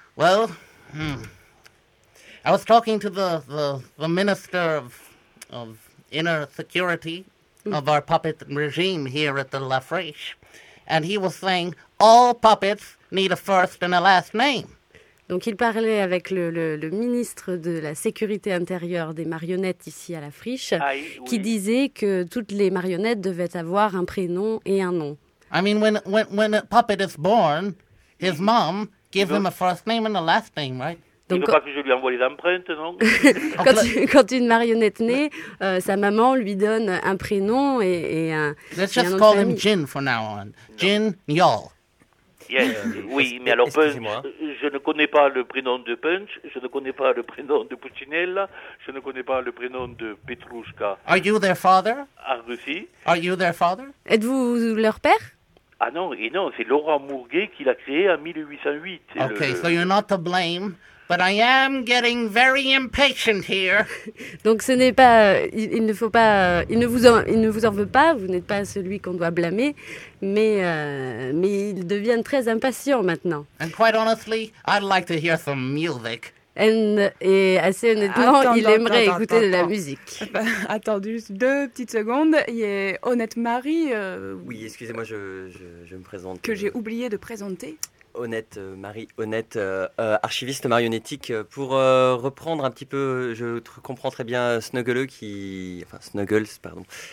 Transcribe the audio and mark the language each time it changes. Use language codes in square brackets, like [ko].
[en] Well, I was talking to the minister of inner security of our puppet regime here at the La Friche, and he was saying all puppets need a first and a last name. [fr] Donc il parlait avec le ministre de la sécurité intérieure des marionnettes ici à la Friche, qui disait que toutes les marionnettes devaient avoir un prénom et un nom. [en] I mean, when a puppet is born, his mom gives him a first name and a last name, right? [fr] Donc, il veut pas que je lui envoie les empreintes, non? quand une marionnette naît, sa maman lui donne un prénom et un nom. [en] Let's just call him Jin for now on. Jin Yol. Yes, [fr] oui, mais alors Punch, je ne connais pas le prénom de Punch, je ne connais pas le prénom de Puccinella, je ne connais pas le prénom de Petrushka. [en] Are you their father? [fr] En Russie. [en] Are you their father? [fr] Êtes-vous leur père? Ah non, et non, c'est Laurent Mourguet qui l'a créé en 1808. [en] Okay, so you're not to blame, but I am getting very impatient here. [fr] Donc ce n'est pas, il ne faut pas, il ne vous en veut pas, vous n'êtes pas celui qu'on doit blâmer, mais il devient très impatient maintenant. [en] And quite honestly, I'd like to hear some music. [fr] Et assez honnêtement, il aimerait écouter de la musique. Attends juste deux petites secondes. Il y a Honnête Marie. Oui, excusez-moi, je me présente. Que j'ai oublié de présenter. Honnête Marie, honnête archiviste marionnettique. Pour reprendre un petit peu, je comprends très bien Snuggle qui. Enfin, Snuggles, pardon.